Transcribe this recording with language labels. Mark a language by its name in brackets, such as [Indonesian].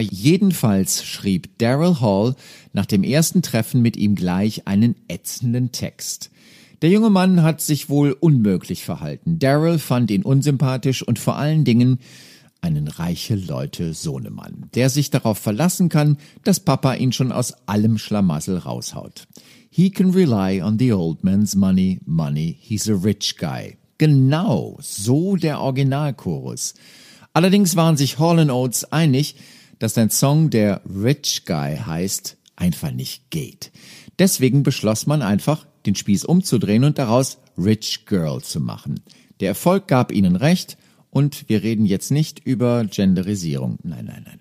[German] Jedenfalls schrieb Daryl Hall nach dem ersten Treffen mit ihm gleich einen ätzenden Text. Der junge Mann hat sich wohl unmöglich verhalten. Daryl fand ihn unsympathisch und vor allen Dingen einen Reiche-Leute-Sohnemann, der sich darauf verlassen kann, dass Papa ihn schon aus allem Schlamassel raushaut. [English] He can rely on the old man's money, money, he's a rich guy. [German] Genau, so der Originalchorus. Allerdings waren sich Hall & Oates einig, dass ein Song, der Rich Guy heißt, einfach nicht geht. Deswegen beschloss man einfach, den Spieß umzudrehen und daraus Rich Girl zu machen. Der Erfolg gab ihnen recht und wir reden jetzt nicht über Genderisierung. Nein.